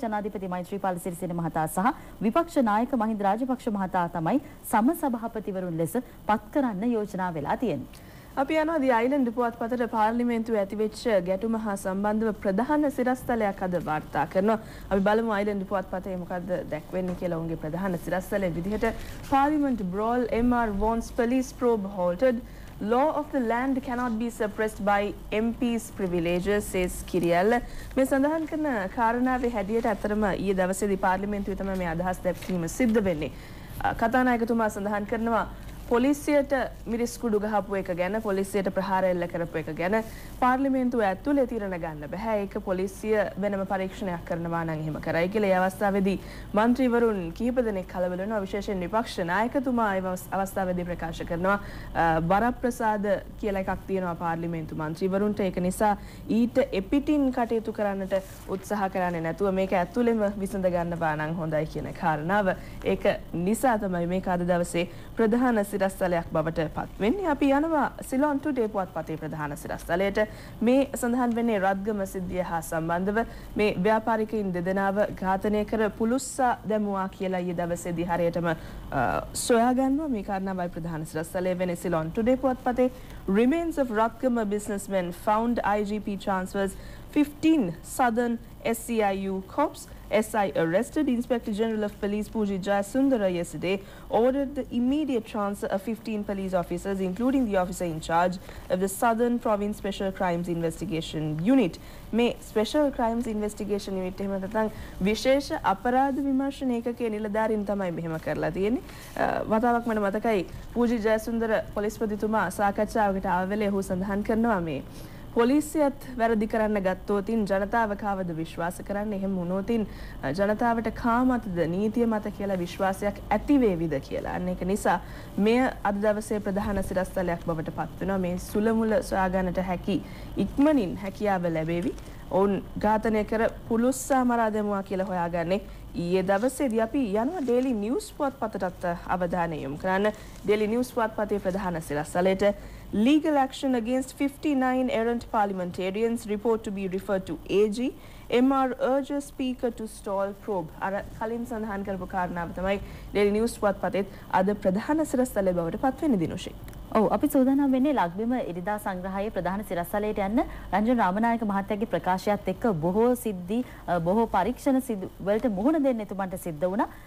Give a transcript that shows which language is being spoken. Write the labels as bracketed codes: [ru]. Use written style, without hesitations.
[si] ජනාධිපති මෛත්‍රීපාල සිරිසේන මහතා සහ විපක්ෂ නායක මහින්ද රාජපක්ෂ මහතා තමයි සම සභාපතිවරුන් ලෙස පත් කරන්න යෝජනා වෙලා තියෙන්නේ. අපි යනවා ද අයිලන්ඩ් පුවත්පතට. පාර්ලිමේන්තුව ඇතිවෙච්ච ගැටුම හා සම්බන්ධව ප්‍රධාන සිරස්තලයක් අද වාර්තා කරනවා. අපි බලමු අයිලන්ඩ් පුවත්පතේ මොකද දැක්වෙන්නේ කියලා. ඔවුන්ගේ ප්‍රධාන සිරස්තලයේ විදිහට [en] Parliament brawl, MR wants police probe halted, law of the land cannot be suppressed by MP's privileges, says Kiriyalla. [si] මේ සඳහන් කරන කාරණාවේ හැඩියට අතරම ඊයේ දවසේදී පාර්ලිමේන්තුවේ තමයි මේ අදහස් දැක්වීම සිද්ධ වෙන්නේ. කතානායකතුමා සඳහන් කරනවා පොලිසියට මිරිස්කුඩු ගහපු එක ගැන, පොලිසියට ප්‍රහාර එල්ල කරපු එක ගැන පාර්ලිමේන්තුව ඇතුලේ තීරණ ගන්න බෑ. ඒක පොලිසිය වෙනම පරීක්ෂණයක් කරනවා නම් එහෙම කරයි කියලා. ඒ අවස්ථාවේදී මන්ත්‍රීවරුන් කිහිප දෙනෙක් කලබල වෙනවා. විශේෂයෙන් විපක්ෂ නායකතුමා ඒ අවස්ථාවේදී ප්‍රකාශ කරනවා වරප්‍රසාද කියලා එකක් තියෙනවා පාර්ලිමේන්තු මන්ත්‍රීවරුන්ට. ඒක නිසා ඊට එපිටින් කටයුතු කරන්නට උත්සාහ කරන්නේ නැතුව මේක ඇතුලේම විසඳ ගන්නවා නම් හොඳයි කියන කාරණාව. ඒක නිසා තමයි මේක අද දවසේ ප්‍රධාන සිරස්තලයක් බවට පත් වෙන්නේ. අපි යනවා සිලොන් ටුඩේ පුවත්පතේ ප්‍රධාන සිරස්තලයට. මේ සඳහන් වෙන්නේ රත්ගම සිද්ධිය හා සම්බන්ධව. මේ ව්‍යාපාරිකයින් දෙදෙනාව ඝාතනය කර පුලුස්සා දැමුවා කියලා ඊයේ දවසේදී හරියටම සොයාගන්නවා. මේ කාරණාවයි ප්‍රධාන සිරස්තලයේ වෙන්නේ Ceylon today පුවත්පතේ. [en] Remains of Rathgama businessmen found IGP transfers 15 southern SEIU cops. SI arrested. Inspector General of Police Pooji Jayasundara yesterday ordered the immediate transfer of 15 police officers, including the officer in charge of the Southern Province Special Crimes Investigation Unit. [si] මේ special crimes investigation unit එහෙම නැත්නම් විශේෂ අපරාධ විමර්ශන ඒකකයේ නිලධාරීන් තමයි මෙහෙම කරලා තියෙන්නේ. වතාවක් මට මතකයි පූජි ජයසුන්දර පොලිස් ප්‍රතිතුමා සාකච්ඡාවකට ආව වෙලේ ඔහු සඳහන් කරනවා මේ පොලිසියත් වැරදි කරන්න ගත්තෝතින් ජනතාව කවද විශ්වාස කරන්න, එහෙම වුණෝතින් ජනතාවට කාමතද නීතිය මත කියලා විශ්වාසයක් ඇති වේවිද කියලා. අන්න ඒක නිසා මෙය අද දවසේ ප්‍රධාන සිරස්තලයක් බවට පත් වෙනවා. මේ සුලමුල සොයාගන්නට හැකි ඉක්මනින් හැකියාව ලැබෙවි. ඔවුන් ඝාතනය කර පුලුස්සා මරා දැමුවා කියලා හොයාගන්නේ ඊයේ දවසේදී. අපි යනවා ඩේලි නිවුස් පුවත්පතටත් අවධානය යොමු කරන්න. [en] daily news [si] පුවත්පතේ ප්‍රධාන සිරස්තලයට [en] legal action against 59 errant parliamentarians report to be referred to AG. MR urges speaker to stall probe. [si] අර කලින් සඳහන් කරපු කාරණාව තමයි ඩේලි නිවුස් පුවත්පතේ අද ප්‍රධාන සිරස්තලයේ බවට පත් වෙන්නේ දිනුෂි. ඔව්, අපි සූදානම් වෙන්නේ ලග්බිම ඉරිදා සංග්‍රහයේ ප්‍රධාන සිරස්තලයට යන්න. රංජන් රාමනායක මහත්තයාගේ ප්‍රකාශයත් එක්ක බොහෝ සිද්ධි, බොහෝ පරීක්ෂණ සිදු වලට මුහුණ දෙන්න එතුමන්ට සිද්ධ වුණා.